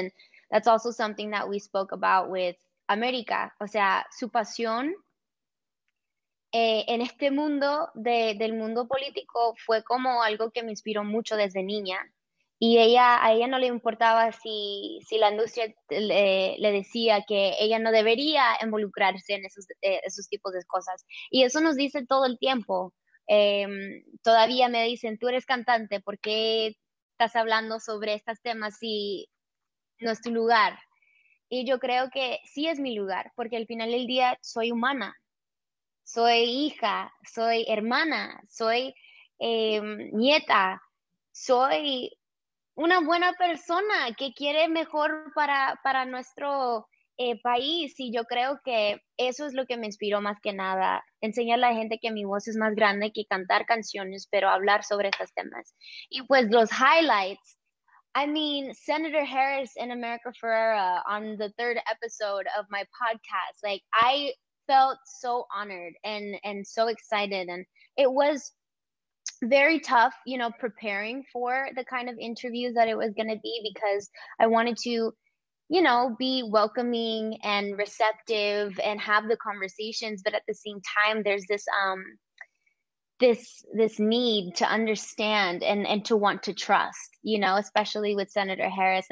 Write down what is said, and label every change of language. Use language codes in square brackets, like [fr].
[en] And that's also something that we spoke about with America. [es] O sea, su pasión en este mundo del mundo político fue como algo que me inspiró mucho desde niña. Y a ella no le importaba si la industria le decía que ella no debería involucrarse en esos tipos de cosas. Y eso nos dice todo el tiempo. Todavía me dicen, tú eres cantante, ¿por qué estás hablando sobre estos temas si no es tu lugar? Y yo creo que sí es mi lugar, porque al final del día soy humana, soy hija, soy hermana, soy nieta, soy una buena persona que quiere mejor para nuestro país. Y yo creo que eso es lo que me inspiró más que nada, enseñarle a la gente que mi voz es más grande que cantar canciones, pero hablar sobre estos temas. Y pues los [en] highlights, I mean, Senator Harris and America Ferrera on the third episode of my podcast, like I felt so honored and so excited. And it was very tough, you know, preparing for the kind of interviews that it was going to be because I wanted to, you know, be welcoming and receptive and have the conversations, but at the same time, there's this need to understand and to want to trust, you know, especially with Senator Harris.